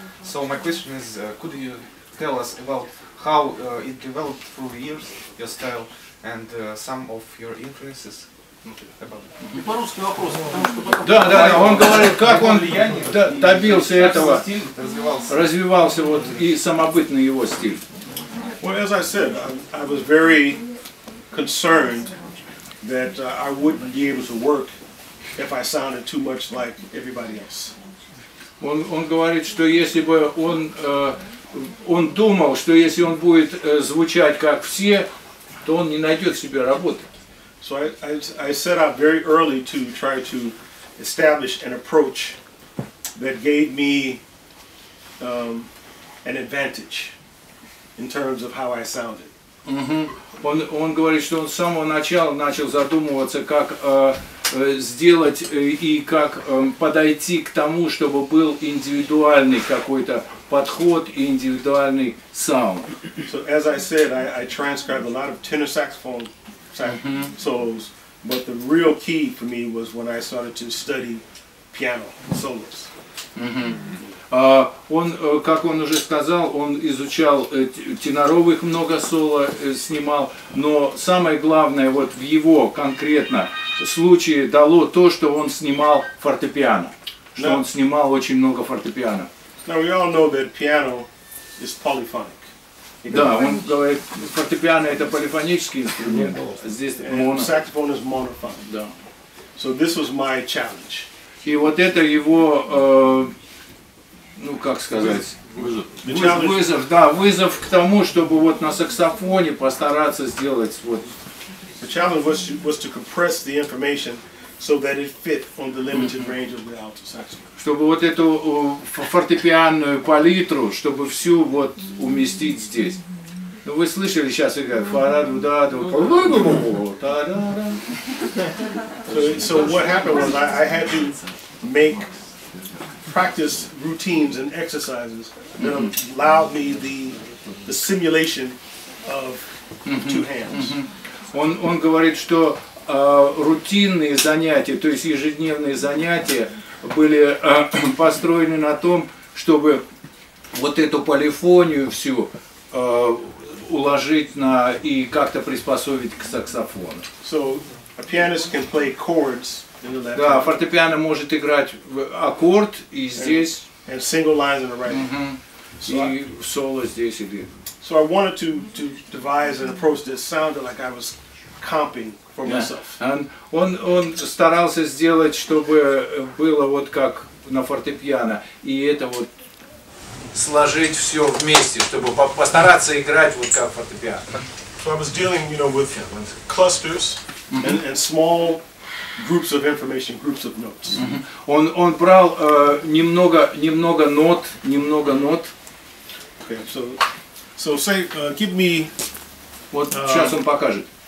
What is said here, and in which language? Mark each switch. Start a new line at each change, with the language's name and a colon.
English: So my question is, could you tell us about how it developed through the years, your style, and some of your influences?
Russian: Не по-русски вопрос. Да, да, он говорит, как он добился этого, развивался вот и самобытный его стиль.
English: Well, as I said, I was very concerned that I wouldn't be able to work if I sounded too much like everybody else.
Russian: Он говорит, что если бы он думал, что если он будет звучать как все, то он не найдет себе работы.
English: So I set out very early to try to establish an approach that gave me an advantage in terms of how I sounded. Mm-hmm.
Russian: Он говорит, что он с самого начала начал задумываться, как сделать и как подойти к тому, чтобы был индивидуальный какой-то подход и индивидуальный саунд.
English: So, as I said, I transcribed a lot of tenor saxophone solos, but the real key for me was when I started to study piano solos.
Russian: Он, как он уже сказал, он изучал теноровых много соло, снимал, но самое главное вот в его конкретно случае дало то, что он снимал фортепиано, что он снимал очень много фортепиано.
English: Now we all know that piano is polyphonic.
Russian: Да, он говорит, фортепиано это полифонический инструмент, здесь моно.
English: Saxophone is monophonic.
Russian: Да.
English: So this was my challenge.
Russian: И вот это его, ну как сказать, вызов, да, вызов к тому, чтобы вот на саксофоне постараться сделать вот. The challenge was to compress the information so that it fit on the limited range of the alto saxophone. Чтобы вот эту фортепианную палитру, чтобы всю вот уместить здесь. Ну вы слышали сейчас играть фараду да да да да да да да.
English: So what happened was I had to make practice routines and exercises that allowed me the simulation of two hands.
Russian: Он говорит, что рутинные занятия, то есть ежедневные занятия, были построены на том, чтобы вот эту полифонию всю уложить на и как-то приспособить к саксофону.
English: So, a pianist can play chords in the left.
Russian: Да, фортепиано может играть аккорд и здесь.
English: And single lines in the right.
Russian: So и в соло здесь или.
English: So I wanted to devise an approach that sounded like I was comping for myself.
Russian: Он старался сделать, чтобы было вот как на фортепиано, и это вот сложить все вместе, чтобы постараться играть вот как фортепиано.
English: So I was dealing, you know, with clusters and small groups of information, groups of notes.
Russian: Он брал немного нот.
English: Okay, so say, give me.
Russian: Вот сейчас он покажет.